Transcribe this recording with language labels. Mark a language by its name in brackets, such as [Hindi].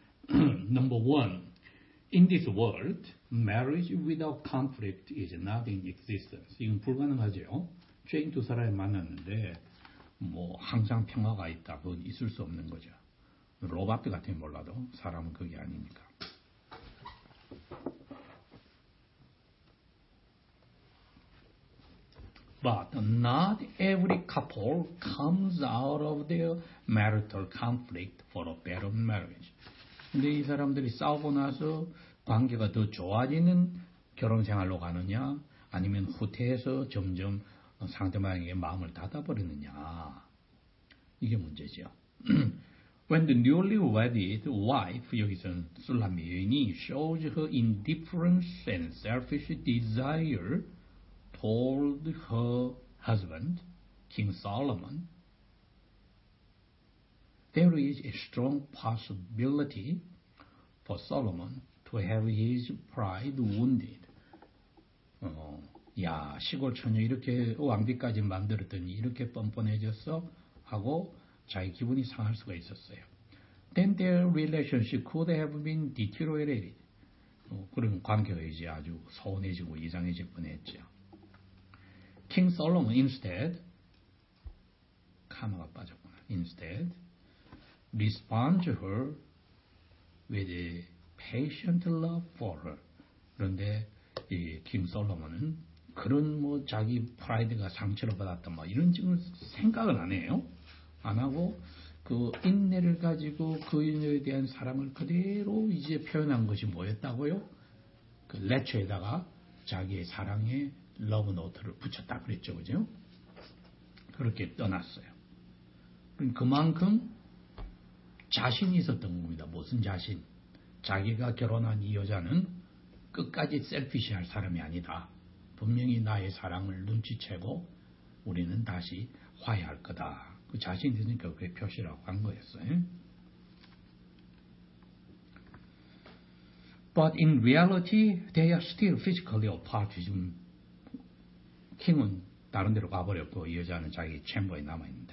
[English] Number one, in this world, marriage without conflict is not in existence. [Korean] 이건 불가능하죠. 죄인 두 사람이 만났는데 뭐 항상 평화가 있다. 그건 있을 수 없는 거죠. 로바트 같은 게 몰라도 사람은 그게 아니니까. [English] But not every couple comes out of their marital conflict for a better marriage. [Korean] 근데 이 사람들이 싸우고 나서 관계가 더 좋아지는 결혼 생활로 가느냐, 아니면 후퇴해서 점점 상대방에게 마음을 닫아버리느냐, 이게 문제죠. [English] When the newly wedded wife, [Korean] 여기서는 술람미 여인이 [English] shows her indifference and selfish desire toward her husband, King Solomon, there is a strong possibility for Solomon to have his pride wounded. [Korean] 야, 시골 처녀 이렇게 왕비까지 만들었더니 이렇게 뻔뻔해졌어? 하고 자기 기분이 상할 수가 있었어요. [English] Then their relationship could have been deteriorated. [Korean] 그런 관계가 이제 아주 서운해지고 이상해질 뻔했죠. [English] King Solomon instead, [Korean] 카마가 빠졌구나. Instead, [English] respond to her with a patient love for her. [Korean] 그런데 이 킹 솔로몬은 그런 뭐 자기 프라이드가 상처를 받았다 뭐 이런 지금 생각을 안 해요. 안 하고 그 인내를 가지고 그 인내에 대한 사랑을 그대로 이제 표현한 것이 뭐였다고요? 그 레처에다가 자기의 사랑의 러브 노트를 붙였다 그랬죠, 그죠? 그렇게 떠났어요. 그만큼 자신이 있었던 겁니다. 무슨 자신? 자기가 결혼한 이 여자는 끝까지 셀피시할 사람이 아니다. 분명히 나의 사랑을 눈치채고 우리는 다시 화해할 거다. 그 자신이 있으니까 그게 표시라고 한 거였어요. [English] But in reality, they are still physically apart. [Korean] 지금 킹은 다른 데로 가버렸고 이 여자는 자기 챔버에 남아있는데.